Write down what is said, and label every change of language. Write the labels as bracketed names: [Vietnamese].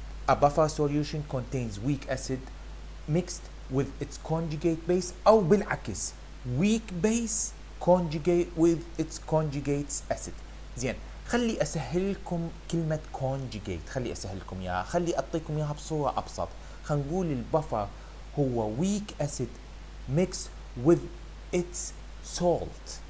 [English] A buffer solution contains weak acid mixed with its conjugate base. [Arabic] أو بالعكس. [English] Weak base conjugate with its conjugate acid. [Arabic] زين. خلي أسهلكم كلمة conjugate. خلي أسهلكم إياها. خلي أعطيكم إياها بصورة أبسط. خنقول البفر هو [English] weak acid mixed with its salt.